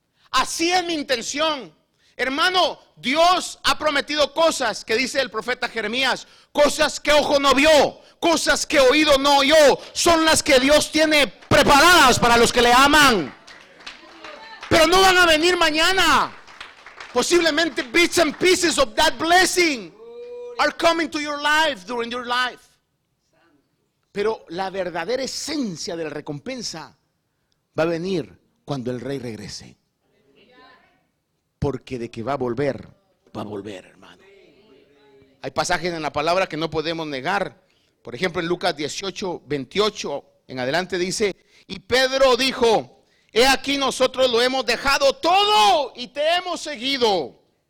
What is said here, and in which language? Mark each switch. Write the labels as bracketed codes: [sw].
[es] Así es mi intención. Hermano, Dios ha prometido cosas que dice el profeta Jeremías, cosas que ojo no vio, cosas que oído no oyó, son las que Dios tiene preparadas para los que le aman. Pero no van a venir mañana. Posiblemente [en] bits and pieces of that blessing are coming to your life during your life. [es] Pero la verdadera esencia de la recompensa va a venir cuando el rey regrese. Porque de que va a volver, hermano. Hay pasajes en la palabra que no podemos negar. Por ejemplo, en Lucas 18, 28 en adelante dice, y Pedro dijo, he aquí nosotros lo hemos dejado todo y te hemos seguido.